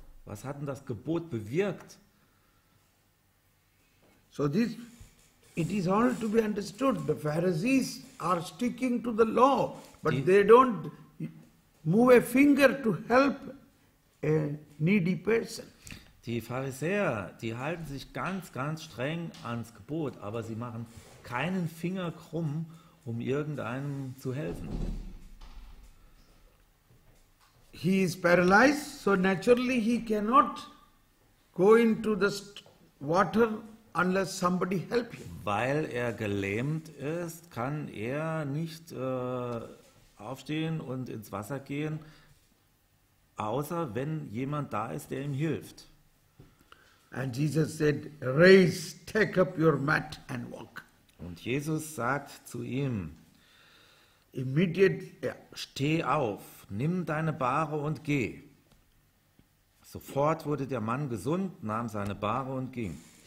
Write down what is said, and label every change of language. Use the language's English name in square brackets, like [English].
[German] Was hat denn das Gebot bewirkt? [English] So this, it is all to be understood. The Pharisees are sticking to the law, but they don't move a finger to help a needy person. [German] Die Pharisäer, die halten sich ganz, ganz streng ans Gebot, aber sie machen keinen Finger krumm, um irgendeinem zu helfen. [English] He is paralyzed, so naturally he cannot go into the water unless somebody help him. [German] Weil er gelähmt ist, kann er nicht aufstehen und ins Wasser gehen, außer wenn jemand da ist, der ihm hilft. [English] And Jesus said, "Raise, take up your mat and walk." [German] Und Jesus sagt zu ihm, [English] immediately, [German] steh auf, nimm deine Bahre und geh. Sofort wurde der Mann gesund, nahm seine Bahre und ging.